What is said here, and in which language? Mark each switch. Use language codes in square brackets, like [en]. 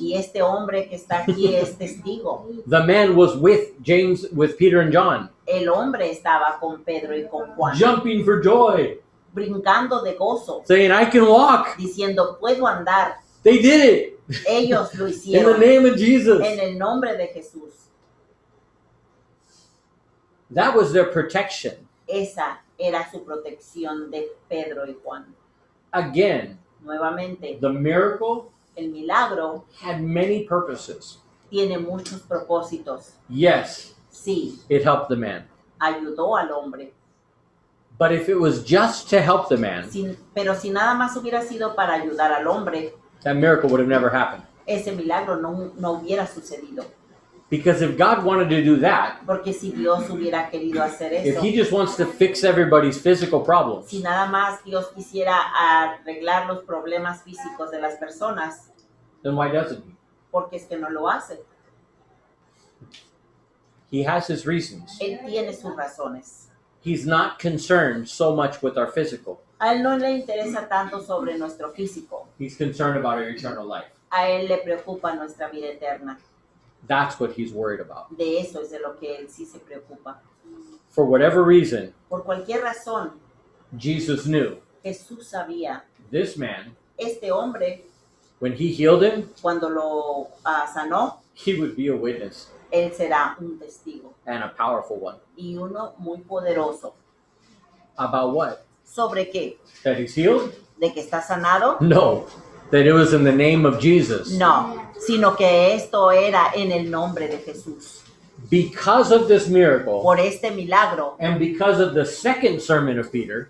[es] Y este hombre que está aquí es testigo. [en] The man was with James, with Peter and John. [es] El hombre estaba con Pedro y con Juan. [en] Jumping for joy. [es] Brincando de gozo. [en] Saying, I can walk. [es] Diciendo, puedo andar. [en] They did it. [es] Ellos lo hicieron. [en] In the name of Jesus. [es] En el nombre de Jesús. [en] That was their protection. [es] Esa era su protección de Pedro y Juan. [en] Again. [es] Nuevamente. [en] The miracle. [es] El milagro. [en] Had many purposes. [es] Tiene muchos propósitos. [en] Yes. [es] Sí. [en] It helped the man. [es] Ayudó al hombre. [en] But if it was just to help the man. [es] Si, pero si nada más hubiera sido para ayudar al hombre. [en] That miracle would have never happened. [es] Ese milagro no hubiera sucedido. [en] Because if God wanted to do that, [es] porque si Dios hubiera querido hacer eso, [en] if he just wants to fix everybody's physical problems, [es] si nada más Dios quisiera arreglar los problemas físicos de las personas, [en] then why doesn't he? [es] Porque es que no lo hace. [en] He has his reasons. [es] Él tiene sus razones. [en] He's not concerned so much with our physical. [es] A él no le interesa tanto sobre nuestro físico. [en] He's concerned about our eternal life. [es] A él le preocupa nuestra vida eterna. [en] That's what he's worried about. [es] De eso es de lo que él sí se preocupa. [en] For whatever reason, [es] por cualquier razón, [en] Jesus knew. [es] Jesús sabía. [en] This man, [es] este hombre, [en] when he healed him, [es] cuando lo sanó, [en] he would be a witness. [es] Él será un testigo. [en] And a powerful one. [es] Y uno muy poderoso. [en] About what? [es] ¿Sobre qué? [en] That he's healed? [es] De que está sanado? [en] No. That it was in the name of Jesus. [es] No, sino que esto era en el nombre de Jesús. [en] Because of this miracle. [es] Por este milagro. [en] And because of the second sermon of Peter.